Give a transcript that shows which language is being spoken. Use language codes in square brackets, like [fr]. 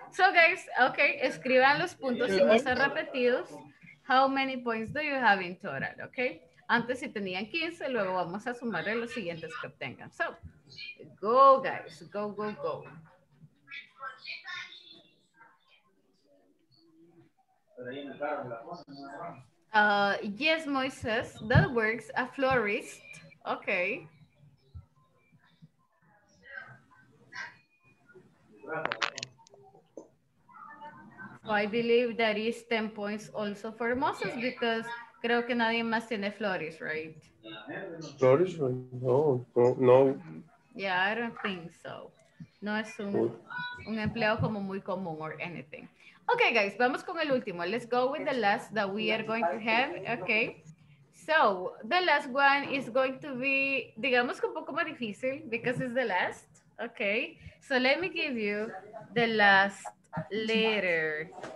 [es] So guys, okay, escriban los puntos si no son repetidos. [en] How many points do you have in total, okay? [es] Antes si tenían 15, luego vamos a sumarle los siguientes que obtengan. [en] So, go guys, go, go, go. Yes, Moises, that works, a florist, okay. So I believe that is 10 points also for Moses because [es] creo que nadie más tiene flores, [en] right? [es] Flores, no. [en] Yeah, I don't think so. [es] No es un empleo como muy común [en] or anything. [es] Okay, guys, vamos con el último. [en] Let's go with the last that we are going to have, okay? So, the last one is going to be, [es] digamos que un poco más difícil [en] because it's the last, okay? So, let me give you the last letter.